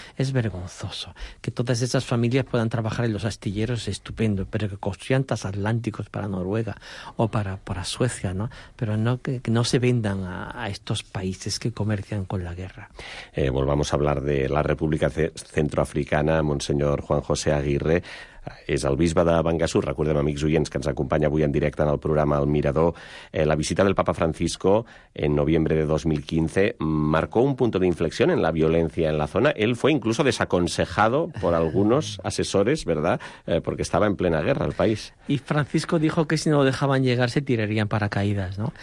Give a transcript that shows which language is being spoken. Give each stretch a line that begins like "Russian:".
Spanish: Es vergonzoso que todas esas familias puedan trabajar en los astilleros, estupendo, pero que construyan transatlánticos para Noruega o para Suecia, ¿no? Pero no, que no se vendan a estos países que comercian con la guerra. Volvamos a hablar de la República Centroafricana, monseñor Juan José Aguirre.
Catalan: És el bisbe de Bangassou, recordem, amics oients, que ens acompanya avui en directe en el programa El Mirador.
Spanish: La visita del Papa Francisco en noviembre de 2015 marcó un punto de inflexión en la violencia en la zona. Él fue incluso desaconsejado por algunos asesores, ¿verdad?, porque estaba en plena guerra el país. Y Francisco dijo que si no lo dejaban llegar se tirarían paracaídas, ¿no?